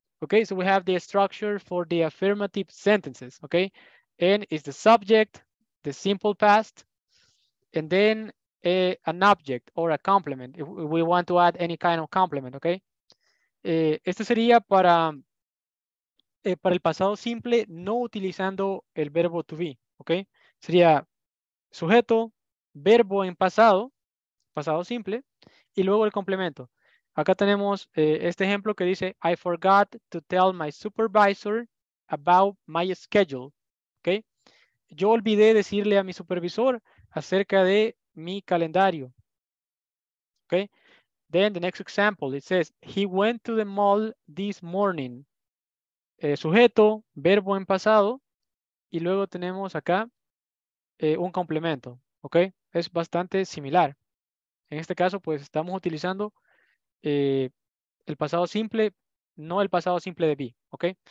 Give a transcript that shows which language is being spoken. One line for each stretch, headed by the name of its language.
English: Ok, so we have the structure for the affirmative sentences. Ok, and it's the subject, the simple past, and then an object or a complement. If we want to add any kind of complement, ok.
Spanish: Este sería para el pasado simple no utilizando el verbo to be. Ok, sería... Sujeto, verbo en pasado, pasado simple, y luego el complemento. Acá tenemos este ejemplo que dice,
English: I forgot to tell my supervisor about my schedule. ¿Okay?
Spanish: Yo olvidé decirle a mi supervisor acerca de mi calendario. ¿Okay?
English: Then the next example, it says, he went to the mall this morning.
Spanish: Sujeto, verbo en pasado, y luego tenemos acá, un complemento. ¿Ok? Es bastante similar. En este caso, pues, estamos utilizando el pasado simple, no el pasado simple de be. ¿Ok?